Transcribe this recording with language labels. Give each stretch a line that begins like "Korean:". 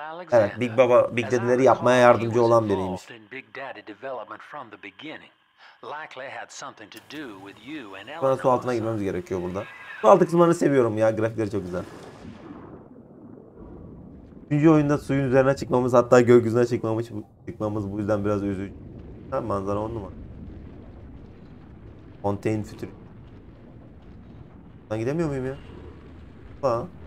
Turkish: Evet, Big Baba, Big Daddy'leri yapmaya yardımcı olan biriymiş.
English: Big Daddy development from the beginning. Likely had something to do with you and Eleanor.
Turkish: Su altına girmemiz gerekiyor burada. Su altı kısmını seviyorum ya, grafikleri çok güzel. Üçüncü oyunda suyun üzerine çıkmamız, hatta gökyüzüne çıkmamız bu yüzden biraz üzücü. Ha, manzara on numara. Fontaine Future. Lan gidemiyor muyum ya? Ha.